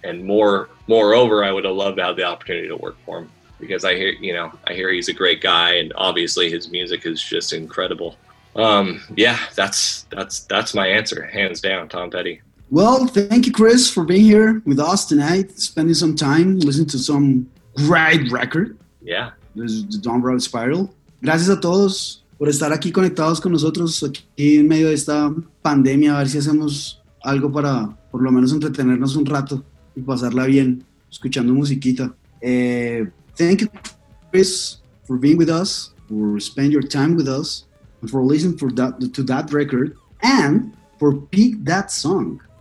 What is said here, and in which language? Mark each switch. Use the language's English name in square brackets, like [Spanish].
[English] And moreover, I would have loved to have the opportunity to work for him, because I hear he's a great guy, and obviously his music is just incredible. That's my answer, hands down, Tom Petty. Well, thank you, Chris, for being here with us tonight, spending some time listening to some great record. Yeah. This is the Don Brown Spiral. [Spanish] Gracias a todos por estar aquí conectados con nosotros aquí en medio de esta pandemia, a ver si hacemos algo para por lo menos entretenernos un rato y pasarla bien escuchando musiquita. [English] Thank you, Chris, for being with us, for spending your time with us, and for listening to that record, and for pick that song.